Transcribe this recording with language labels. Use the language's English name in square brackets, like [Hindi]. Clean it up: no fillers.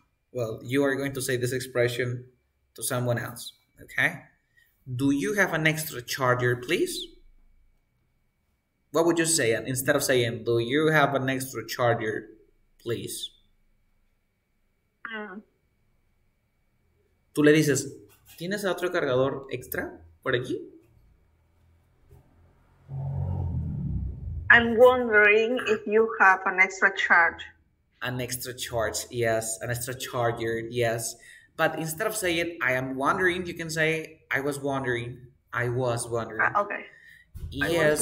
[English] Well, you are going to say this expression to someone else, okay? Do you have an extra charger, please? What would you say instead of saying, do you have an extra charger, please? [Spanish] Tú le dices, ¿tienes otro cargador extra por aquí? [English] I'm wondering if you have an extra charge. An extra charge, yes. An extra charger, yes. But instead of saying, I am wondering, you can say, I was wondering. I was wondering. Okay. Yes.